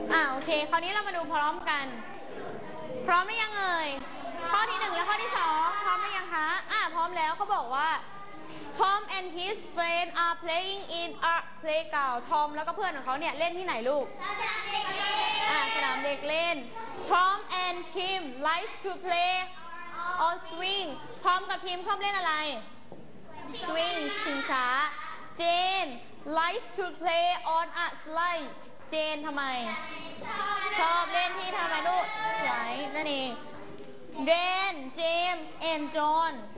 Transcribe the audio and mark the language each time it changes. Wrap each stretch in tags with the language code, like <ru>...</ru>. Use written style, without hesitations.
<th>โอเคคราวนี้เรามาดูพร้อมกันพร้อมหรือยังเอ่ยข้อที่1และข้อที่2พร้อมหรือยังคะพร้อมแล้วเขาบอกว่า</th> <en>Tom and his friend are playing in a playground.</en> <th>Tom แล้วก็เพื่อนของเขาเนี่ยเล่นที่ไหนลูก สนามเด็ กเล่น</th> <en>สนามเด็กเล่น Tom and Tim likes to play on swing.</en> <th>Tom กับ Tim ชอบเล่นอะไร swing ชิงช้า</th> <en>Jane likes to play on a slide.</en> <th>Jane ทำไม ชอบ เล่นที่ทำไมลูก slide นั่นเอง</th> <en>Ben, James and John.</en>